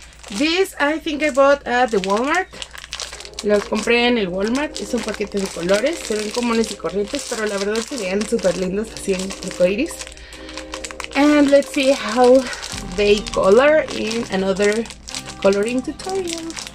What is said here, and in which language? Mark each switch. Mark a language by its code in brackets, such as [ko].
[en] This I think I bought at the Walmart. [es] Los compré en el Walmart. Es un paquete de colores. Se ven comunes y corrientes, pero la verdad se ven súper lindos así en arcoiris. [en] And let's see how they color in another coloring tutorial.